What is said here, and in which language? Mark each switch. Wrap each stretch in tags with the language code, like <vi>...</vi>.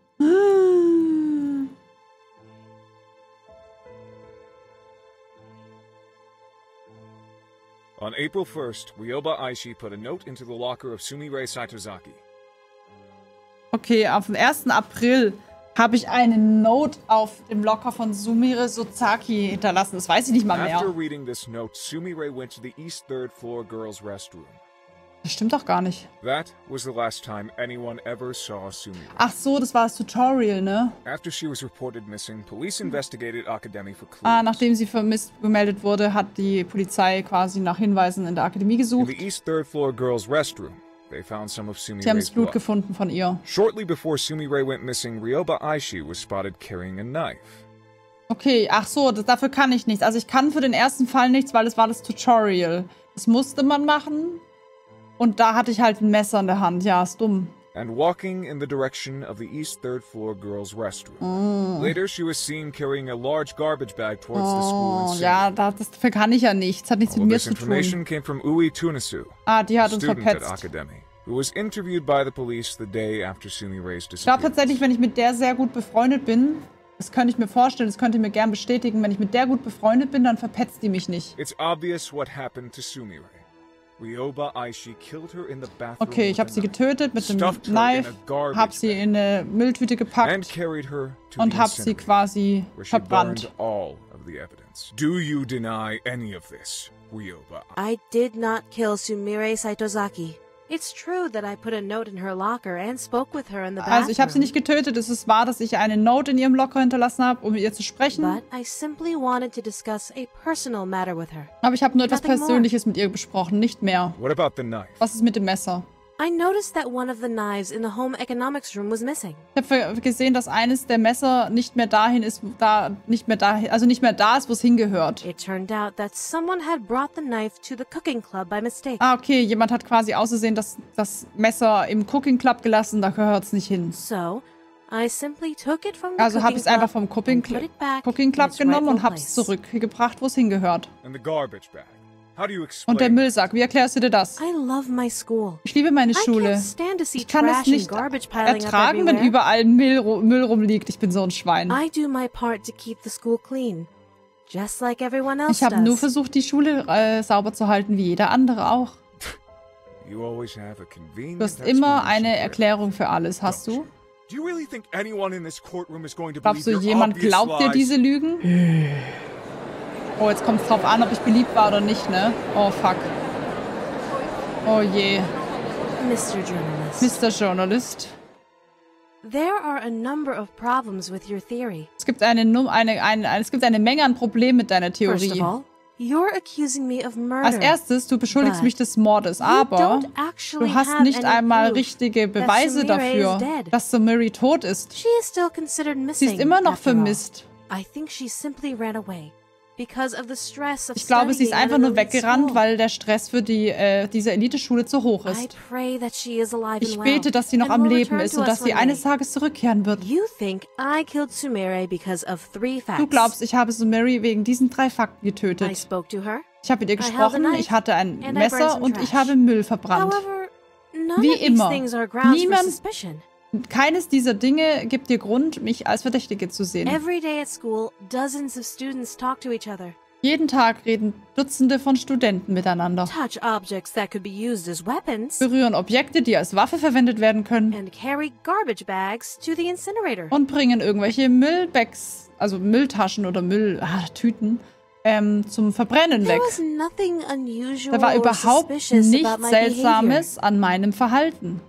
<en>On April 1st, Ryoba Aishi put a note into the locker of Sumire Saitozaki.</en> <de>Okay, auf dem 1. April habe ich eine Note auf dem Locker von Sumire Sozaki hinterlassen. Das weiß ich nicht mal mehr.</de> <en>After reading this note, Sumire went to the East 3rd floor girls' restroom.</en> <de>Das stimmt doch gar nicht.</de> <en>That was the last time anyone ever saw Sumire.</en> <de>Ach so, das war das Tutorial, ne?</de> <en>After she was reported missing, police investigated Akademie for clues.</en> <de>Ah, nachdem sie vermisst gemeldet wurde, hat die Polizei quasi nach Hinweisen in der Akademie gesucht.</de> <en>In the East 3rd floor girls' restroom. They found some of Sumire's blood.</en> <de>Sie haben das Blut gefunden von ihr.</de> <en>Shortly before Sumire went missing, Ryoba Aishi was spotted carrying a knife.</en> <de>Okay, ach so, dafür kann ich nichts. Also ich kann für den ersten Fall nichts, weil es war das Tutorial. Das musste man machen. Und da hatte ich halt ein Messer in der Hand. Ja, ist dumm.</de> <en>And walking in the direction of the East 3rd floor girls' restroom. Later she was seen carrying a large garbage bag towards the school.</en> <de>Oh, ja, das kann ich ja nicht. Das hat nichts mit mir zu tun.</de> <en>Information came from Ui Tunisu.</en> <de>Ah, die hat uns verpetzt.</de> <en>Akademie, who was interviewed by the police the day after Sumire's disappearance.</en> <de>Ich glaube tatsächlich, wenn ich mit der sehr gut befreundet bin, das könnte ich mir vorstellen, das könnt ihr mir gern bestätigen, wenn ich mit der gut befreundet bin, dann verpetzt die mich nicht.</de> <en>It's obvious what happened to Sumire. Ryoba Aishi killed her in the bathroom.</en> <de>Okay, ich habe sie getötet mit dem Knife, habe sie in eine Mülltüte gepackt und habe sie quasi verbrannt.</de> <en>All of the evidence. Do you deny any of this, Ryoba? I did not kill Sumire Saitozaki. It's true that I put a note in her locker and spoke with her in the bathroom.</en> <de>Also, ich habe sie nicht getötet, es ist wahr, dass ich eine Note in ihrem Locker hinterlassen habe, um mit ihr zu sprechen.</de> <en>But I simply wanted to discuss a personal matter with her.</en> <de>Aber ich habe nur etwas Persönliches mit ihr besprochen, nicht mehr.</de> <en>What about the knife?</en> <de>Was ist mit dem Messer?</de> <en>I noticed that one of the knives in the home economics room was missing.</en> <de>Ich habe gesehen, dass eines der Messer nicht mehr dahin ist, nicht mehr da ist, wo es hingehört.</de> <en>It turned out that someone had brought the knife to the cooking club by mistake.</en> <de>Ah, okay, jemand hat quasi ausgesehen, dass das Messer im Cooking Club gelassen, da gehört es nicht hin.</de> <en>So, I simply took it from</en> <de>also habe ich es einfach vom Cooking Club genommen und habe es zurückgebracht, wo es hingehört.</de> <en>In the garbage bag.</en> <de>Und der Müllsack, wie erklärst du dir das?</de> <en>I love my school.</en> <de>Ich liebe meine Schule. Ich kann es nicht ertragen, wenn überall Müll rumliegt. Ich bin so ein Schwein. Ich habe nur versucht, die Schule sauber zu halten, wie jeder andere auch.</de> <en>You always have a convenient</en> <de>du hast immer eine Erklärung für alles, hast du? Glaubst du, jemand glaubt dir diese Lügen? Oh, jetzt kommt es drauf an, ob ich beliebt war oder nicht, ne? Oh, fuck. Oh, je.</de> <en>Mr. Journalist. Mr. Journalist. There are a number of problems with your theory.</en> <de>Es gibt eine Menge an Problemen mit deiner Theorie.</de> <en>First of all, you're accusing me of murder.</en> <de>Als erstes, du beschuldigst mich des Mordes, aber du hast nicht einmal richtige Beweise dafür, dass Sumire tot ist.</de> <en>She is still considered missing.</en> <de>Sie ist immer noch vermisst.</de> <en>I think she simply ran away. Because of the stress of</en> <de>ich glaube, sie ist einfach nur weggerannt, weil der Stress für diese Elite-Schule zu hoch ist. Ich bete, dass sie noch am Leben ist und dass sie eines Tages zurückkehren wird. Du glaubst, ich habe Sumire wegen diesen drei Fakten getötet. Ich habe mit ihr gesprochen, ich hatte ein Messer und ich habe Müll verbrannt. Wie immer, niemand... Keines dieser Dinge gibt dir Grund, mich als Verdächtige zu sehen.</de> <en>Every day at school, dozens of students talk to each other.</en> <de>Jeden Tag reden Dutzende von Studenten miteinander.</de> <en>Touch objects that could be used as weapons.</en> <de>Berühren Objekte, die als Waffe verwendet werden können.</de> <en>And carry garbage bags to the incinerator.</en> <de>Und bringen irgendwelche Müllbags, also Mülltaschen oder Mülltüten, zum Verbrennen weg.</de> <en>There was nothing unusual</en> <de>da war überhaupt nichts Seltsames an meinem Verhalten.</de>